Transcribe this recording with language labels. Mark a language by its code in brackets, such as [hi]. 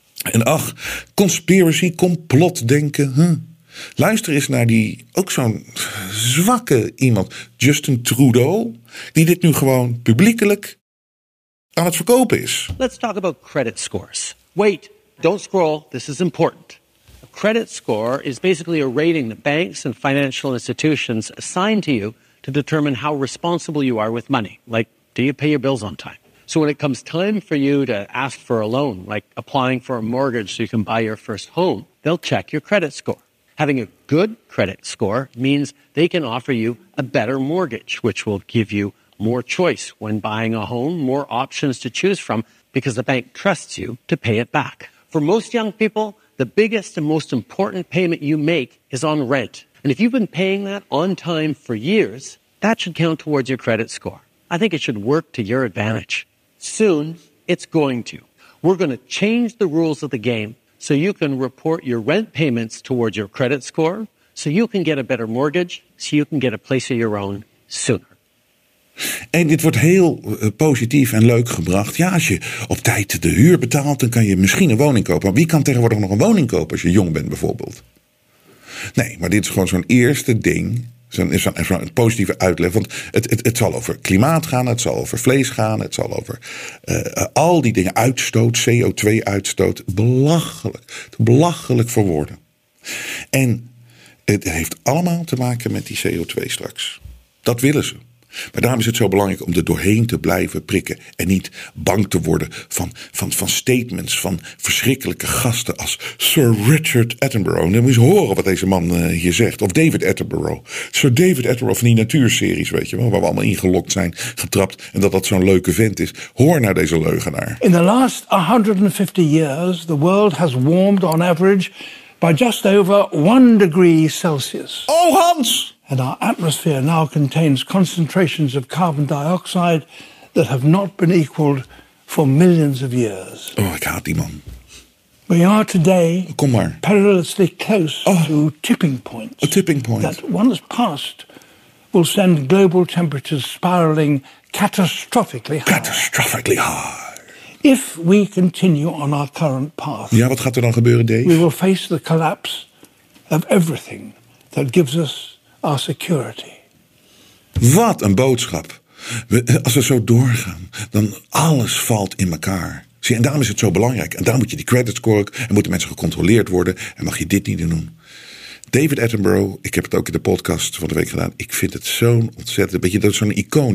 [nl] En ach, conspiracy, complot denken. Luister eens naar die ook zo'n zwakke iemand, Justin Trudeau, die dit nu gewoon publiekelijk aan het verkopen is. [en] Let's talk about credit scores. Wait, don't scroll, this is important. A credit score is basically a rating that banks and financial institutions assign to you to determine how responsible you are with money. Like, do you pay your bills on time? So when it comes time for you to ask for a loan, like applying for a mortgage so you can buy your first home, they'll check your credit score. Having a good credit score means they can offer you a better mortgage, which will give you more choice when buying a home, more options to choose from, because the bank trusts you to pay it back. For most young people, the biggest and most important payment you make is on rent. And if you've been paying that on time for years, that should count towards your credit score. I think it should work to your advantage. Soon, it's going to. We're going to change the rules of the game so you can report your rent payments towards your credit score, so you can get a better mortgage, so you can get a place of your own sooner. [nl] En dit wordt heel positief en leuk gebracht. Ja, als je op tijd de huur betaalt, dan kan je misschien een woning kopen. Maar wie kan tegenwoordig nog een woning kopen als je jong bent bijvoorbeeld? Nee, maar dit is gewoon zo'n eerste ding. Zo'n positieve uitleg. Want het zal over klimaat gaan. Het zal over vlees gaan. Het zal over al die dingen. Uitstoot, CO2-uitstoot. Belachelijk. Belachelijk voor woorden. En het heeft allemaal te maken met die CO2 straks. Dat willen ze. Maar daarom is het zo belangrijk om er doorheen te blijven prikken. En niet bang te worden van statements van verschrikkelijke gasten als Sir Richard Attenborough. En dan moet je eens horen wat deze man hier zegt. Of David Attenborough. Sir David Attenborough van die natuurseries, weet je wel. Waar we allemaal ingelokt zijn, getrapt. En dat zo'n leuke vent is. Hoor naar deze leugenaar. [en] In the last 150 years, the world has warmed on average by just over 1 degree Celsius. [nl] Oh, Hans! [en] And our atmosphere now contains concentrations of carbon dioxide that have not been equaled for millions of years. [nl] Oh, ik haat die man. [en] We are today [nl] Kom maar. [en] Perilously close to tipping points. A tipping point. That once passed will send global temperatures spiraling catastrophically high. Catastrophically high. If we continue on our current path. [nl] Ja, wat gaat dan gebeuren, Dave? [en] We will face the collapse of everything that gives us our security. [nl] Wat een boodschap. Als we zo doorgaan, dan alles valt in elkaar. Zie, en daarom is het zo belangrijk. En daarom moet je die credit score ook. En moeten mensen gecontroleerd worden. En mag je dit niet doen. David Attenborough, ik heb het ook in de podcast van de week gedaan. Ik vind het zo'n ontzettend. Weet je, dat is zo'n icoon.